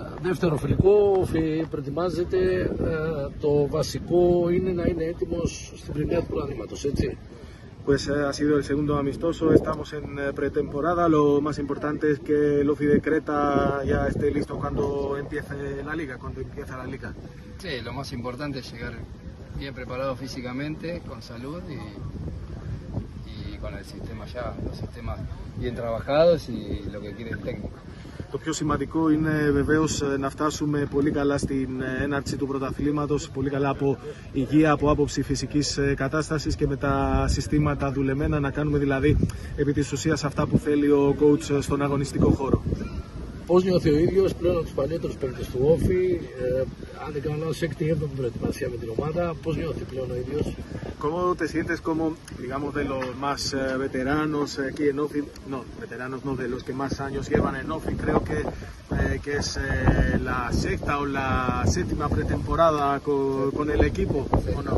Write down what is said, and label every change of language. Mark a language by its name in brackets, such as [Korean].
[Greek] δεύτερο φιλικό προετοιμάζεται, το βασικό είναι να είναι έτοιμος στην πρεμιέρα του πρωταθλήματος, έτσι. [Spanish] Pues ha sido el segundo amistoso, estamos en pretemporada, lo más importante es que el Ofi de Creta ya esté listo cuando empiece la liga, cuando empieza la liga. Sí, lo más importante es llegar bien preparado físicamente, con salud y con el sistema ya, los sistemas bien trabajados y lo que quiere el técnico. [Greek] Το πιο σημαντικό είναι βεβαίως να φτάσουμε πολύ καλά στην έναρξη του πρωταθλήματος, πολύ καλά από υγεία, από άποψη φυσικής κατάστασης και με τα συστήματα δουλεμένα, να κάνουμε δηλαδή επί της ουσίας αυτά που θέλει ο coach στον αγωνιστικό χώρο. Πώς νιώθει ο ίδιος πλέον από τους παλιότερους παίκτες του Όφη, αν δεν κάνω λάθος, 6η-7η προετοιμασία με την ομάδα, πώς νιώθει πλέον ο ίδιος? [Spanish] ¿Cómo te sientes como, digamos, de los más veteranos aquí en Ofi? No, veteranos no, de los que más años llevan en Ofi. Creo que es la sexta o la séptima pretemporada con el equipo, ¿o no?